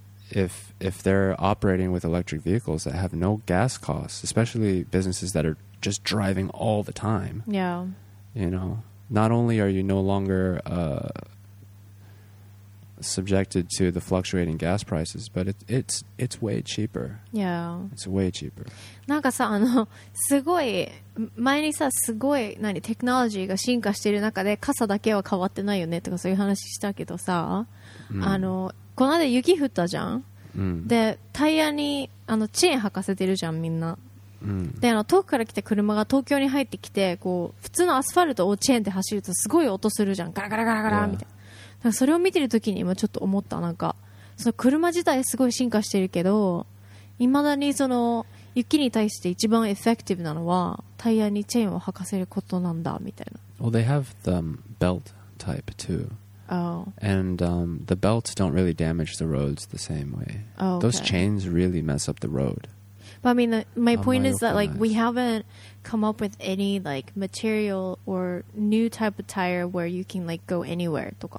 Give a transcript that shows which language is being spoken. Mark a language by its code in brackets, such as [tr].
[en] If they're operating with electric vehicles that have no gas costs, especially businesses that are just driving all the time, yeah, you know, not only are you no longer subjected to the fluctuating gas prices, but it's way cheaper. Yeah, it's way cheaper. [ja] なんかさあのすごい前にさすごい何テクノロジーが進化している中で傘だけは変わってないよねとかそういう話したけどさ、あの。この間雪降ったじゃん、でタイヤにあのチェーン履かせてるじゃんみんな、であの遠くから来て車が東京に入ってきてこう普通のアスファルトをチェーンで走るとすごい音するじゃんガラガラガラガラみたいな、だからそれを見てる時に今ちょっと思ったなんかその車自体すごい進化してるけど未だにその雪に対して一番エフェクティブなのはタイヤにチェーンを履かせることなんだみたいな。 [en] Well they have the belt type too. Oh. And the belts don't really damage the roads the same way. Oh, okay. Those chains really mess up the road. But I mean, my point is that like we haven't come up with any like material or new type of tire where you can like go anywhere.